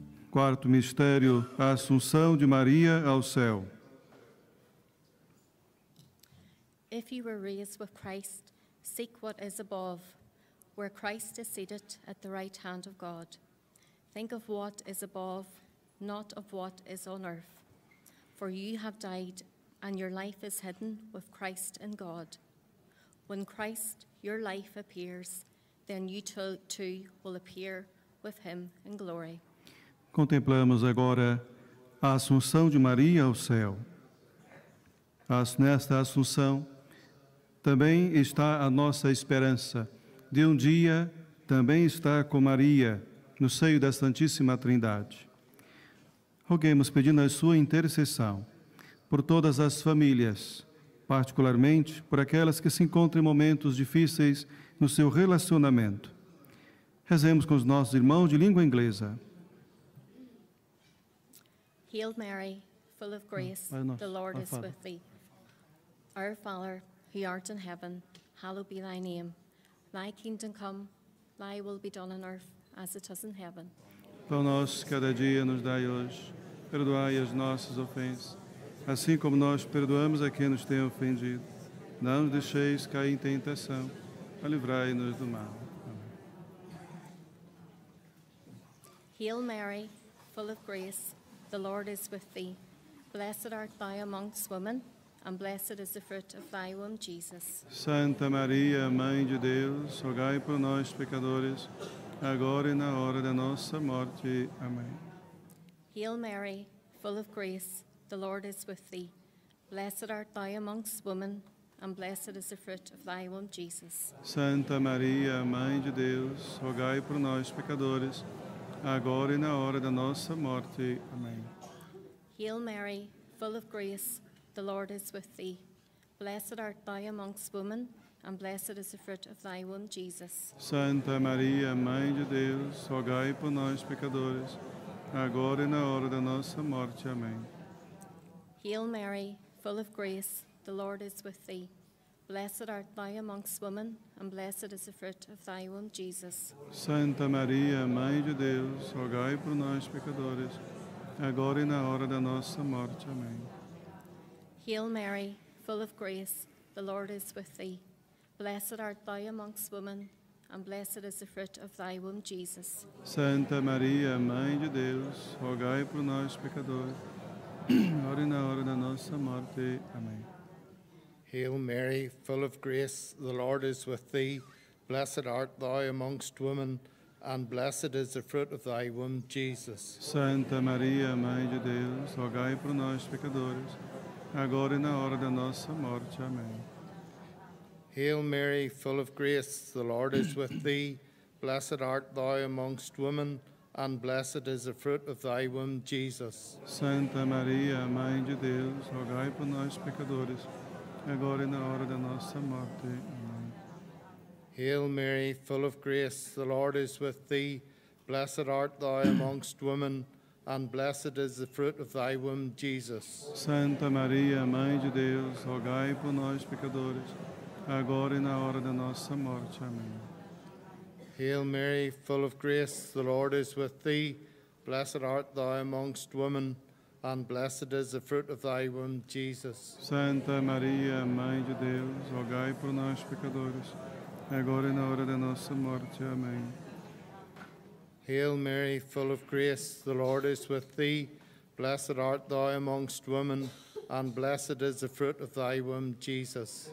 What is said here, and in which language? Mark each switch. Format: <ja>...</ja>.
<pt>Quarto mistério, a Assunção de Maria ao céu.</pt> <en>If you were raised with Christ, seek what is above, where Christ is seated at the right hand of God. Think of what is above, not of what is on earth. For you have died, and your life is hidden with Christ in God. When Christ, your life, appears, then you too will appear with him in glory.</en> <pt>Contemplamos agora a Assunção de Maria ao céu. Nesta Assunção também está a nossa esperança de um dia também estar com Maria no seio da Santíssima Trindade. Roguemos, pedindo a sua intercessão, por todas as famílias, particularmente por aquelas que se encontram em momentos difíceis no seu relacionamento. Rezemos com os nossos irmãos de língua inglesa.</pt> <en>Hail Mary, full of grace, the Lord is with thee. Our Father, who art in heaven, hallowed be thy name. Thy kingdom come, thy will be done on earth as it is in heaven.</en> <pt>Pão nosso cada dia nos dai hoje, perdoai as nossas ofensas, assim como nós perdoamos a quem nos tem ofendido. Não nos deixeis cair em tentação, mas livrai-nos do mal.</pt> <en>Hail Mary, full of grace, the Lord is with thee. Blessed art thou amongst women, and blessed is the fruit of thy womb, Jesus.</en> <pt>Santa Maria, Mãe de Deus, rogai por nós, pecadores, agora e na hora da nossa morte. Amém.</pt> <en>Hail Mary, full of grace, the Lord is with thee. Blessed art thou amongst women, and blessed is the fruit of thy womb, Jesus.</en> <pt>Santa Maria, Mãe de Deus, rogai por nós, pecadores, agora e na hora da nossa morte. Amém.</pt> <en>Hail Mary, full of grace, the Lord is with thee. Blessed art thou amongst women, and blessed is the fruit of thy womb, Jesus.</en> <pt>Santa Maria, Mãe de Deus, rogai por nós, pecadores, agora e na hora da nossa morte. Amém.</pt> <en>Hail Mary, full of grace, the Lord is with thee. Blessed art thou amongst women, and blessed is the fruit of thy womb, Jesus.</en> <pt>Santa Maria, Mãe de Deus, rogai por nós, pecadores, agora e na hora da nossa morte. Amém.</pt> <en>Hail Mary, full of grace, the Lord is with thee. Blessed art thou amongst women, and blessed is the fruit of thy womb, Jesus.</en> <pt>Santa Maria, Mãe de Deus, rogai por nós, pecadores, agora e na hora da nossa morte. Amém.</pt> <en>Hail Mary, full of grace, the Lord is with thee. Blessed art thou amongst women, and blessed is the fruit of thy womb, Jesus.</en> <pt>Santa Maria, Mãe de Deus, rogai por nós, pecadores, agora e na hora da nossa morte. Amém.</pt> <en>Hail Mary, full of grace, the Lord is with thee. Blessed art thou amongst women, and blessed is the fruit of thy womb, Jesus.</en> <pt>Santa Maria, Mãe de Deus, rogai por nós, pecadores, agora e na hora da nossa morte. Amém.</pt> <en>Hail Mary, full of grace, the Lord is with thee. Blessed art thou amongst women, and blessed is the fruit of thy womb, Jesus.</en> <pt>Santa Maria, Mãe de Deus, rogai por nós, pecadores, agora e na hora da nossa morte. Amém.</pt> <en>Hail Mary, full of grace, the Lord is with thee. Blessed art thou amongst women, and blessed is the fruit of thy womb, Jesus.</en> <pt>Santa Maria, Mãe de Deus, rogai por nós, pecadores, agora e na hora da nossa morte. Amém.</pt> <en>Hail Mary, full of grace, the Lord is with thee. Blessed art thou amongst women, and blessed is the fruit of thy womb, Jesus.</en>